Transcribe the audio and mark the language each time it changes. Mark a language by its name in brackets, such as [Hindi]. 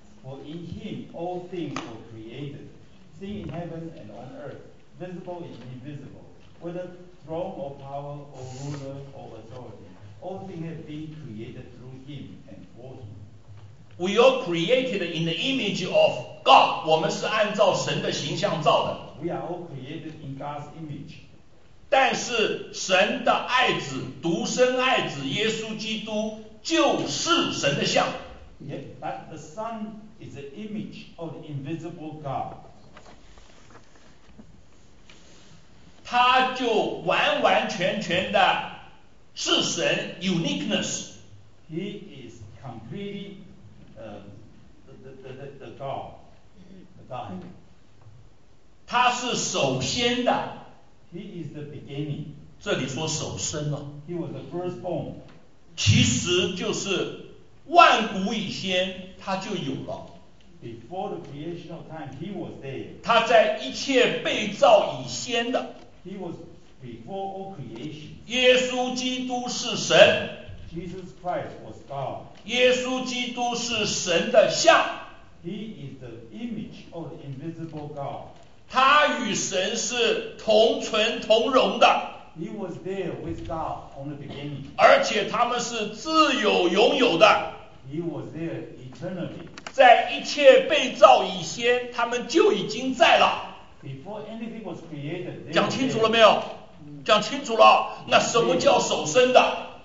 [English] For in him all things were created, seen in heaven and on earth, visible and invisible. Whether throne or power or ruler or authority, all things have been created through him and for him. We are created in the image of God. [Chinese] 我们是按照神的形象造的。 [English] We are all created in God's image. [Chinese] 但是神的爱子，独生爱子耶稣基督就是神的像。 [English] Yet, but the Son is the image of the invisible God. [Chinese] 他就完完全全的是神 [English] uniqueness. He is completely the God, the God. [Chinese] 他是首先的。 [English] He is the beginning. [Chinese] 这里说首生了。 [English] He was the firstborn. [Chinese] 其实就是万古以先他就有了。 [English] Before the creation of time, he was there. [Chinese] 他在一切被造以先的。 [English] He was before all creation. [Chinese] 耶稣基督是神。 [English] Jesus Christ was God. [Chinese] 耶稣基督是神的像。 [English] He is the image of the invisible God. [Chinese] 他与神是同存同荣的。 [English] He was there with God from the beginning. [Chinese] 而且他们是自有拥有的。 [English] He was there eternally. [Chinese] 在一切被造以先，他们就已经在了。 [English] Before anything was created, [Chinese] 讲清楚了没有？讲清楚了，那什么叫首生的？